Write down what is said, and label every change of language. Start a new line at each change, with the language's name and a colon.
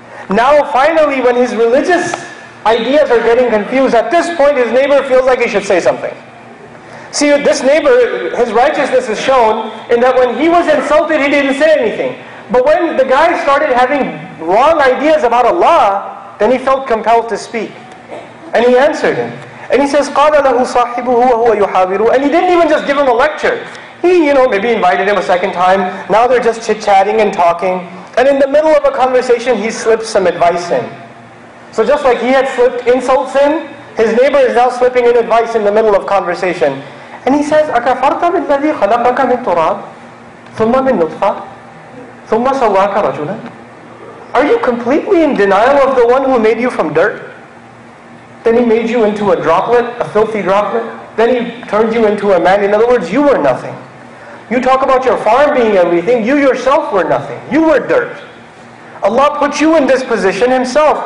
English: Now finally, when his religious ideas are getting confused, at this point his neighbor feels like he should say something. See, this neighbor, his righteousness is shown in that when he was insulted, he didn't say anything. But when the guy started having wrong ideas about Allah, then he felt compelled to speak. And he answered him.
Arabic: And he says, قَالَ لَهُ صَاحِبُهُ وَهُوَ يُحَاذِرُهُ.
English: And he didn't even just give him a lecture. He, you know, maybe invited him a second time. Now they're just chit-chatting and talking. And in the middle of a conversation, he slips some advice in. So just like he had slipped insults in, his neighbor is now slipping in advice in the middle of conversation.
Arabic: And he says, أَكَفَرْتَ بِالَّذِي خَلَقَكَ مِنْ تُرَابٍ ثُمَّ مِنْ نُطْفَةٍ ثُمَّ سَوَّاكَ رَجُلًا.
English: Are you completely in denial of the one who made you from dirt? Then he made you into a droplet, a filthy droplet. Then he turned you into a man. In other words, you were nothing. You talk about your farm being everything. You yourself were nothing. You were dirt. Allah put you in this position Himself.